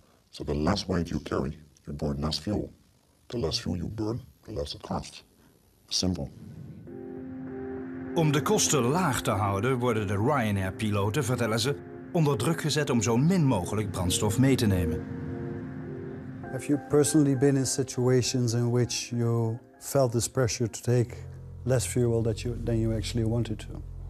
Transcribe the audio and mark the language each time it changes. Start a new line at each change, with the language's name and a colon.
English: So the less weight you carry, you burn less fuel. The less fuel you burn, the less it costs. Simple.
Dutch: Om de kosten laag te houden, worden de Ryanair-piloten, vertellen ze, onder druk gezet om zo min mogelijk brandstof mee te nemen.
English: Have you personally been in situations in which you felt this pressure to take less fuel than you actually wanted to?